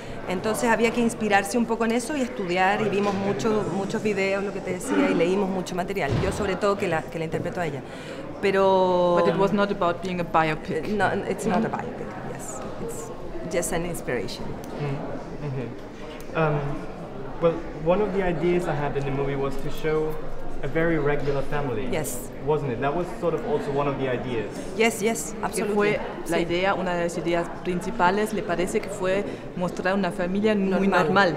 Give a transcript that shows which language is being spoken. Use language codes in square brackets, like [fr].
[es] Entonces había que inspirarse un poco en eso y estudiar, y vimos muchos videos, lo que te decía, y leímos mucho material. Yo sobre todo que la interpreto a ella. Pero... [en] But it was not about being a biopic. No, it's not a biopic, yes. It's just an inspiration. Mm-hmm. Well, one of the ideas I had in the movie was to show a very regular family. Yes. Wasn't it? That was sort of also one of the ideas. Yes, yes, absolutely. [es] Que fue la idea, una de las ideas principales, le parece que fue mostrar una familia muy normal,